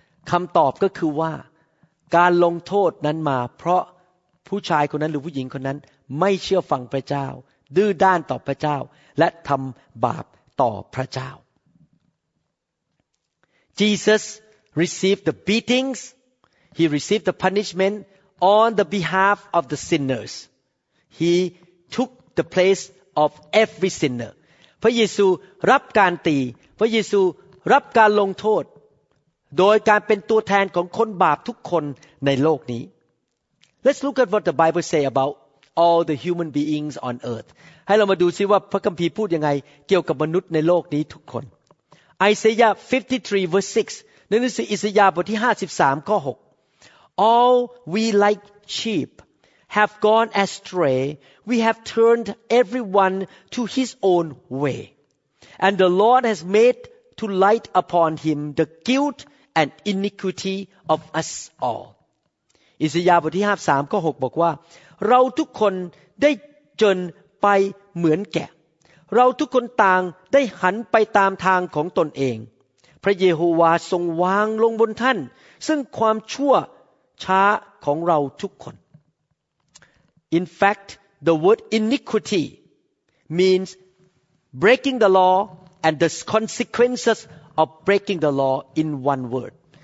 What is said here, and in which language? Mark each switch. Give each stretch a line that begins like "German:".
Thai: คำตอบก็คือว่าการลงโทษนั้นมาเพราะผู้ชายคนนั้นหรือผู้หญิงคนนั้นไม่เชื่อฟังพระเจ้าดื้อด้านต่อพระเจ้าและทำบาปต่อพระเจ้า
English: Jesus received the beatings. He received the punishment on the behalf of the sinners. He took the place of every sinner.
Thai: พระเยซูรับการตีพระเยซูรับการลงโทษโดยการเป็นตัวแทนของคนบาปทุกคนในโลกนี้
English: Let's look at what the Bible say about all the human beings on earth
Thai: ให้เรามาดูซิว่าพระคัมภีร์พูดยังไงเกี่ยวกับมนุษย์ในโลกนี้ทุกคน
English: Isaiah 53 verse 6
Thai: ในหนังสืออิสยาห์บทที่53ข้อ6
English: All we like sheepHave gone astray. We have turned everyone to his own way. And the Lord has made to light upon him the guilt and iniquity of us all.
Thai: Isaiah 53 ข้อ 6 บอกว่าเราทุกคนได้จนไปเหมือนแกะเราทุกคนต่างได้หันไปตามทางของตนเองพระเยโฮวาห์ทรงวางลงบนท่านซึ่งความชั่วช้าของเราทุกคน
English: In fact, the word iniquity means breaking the law and the consequences of breaking the law in one word.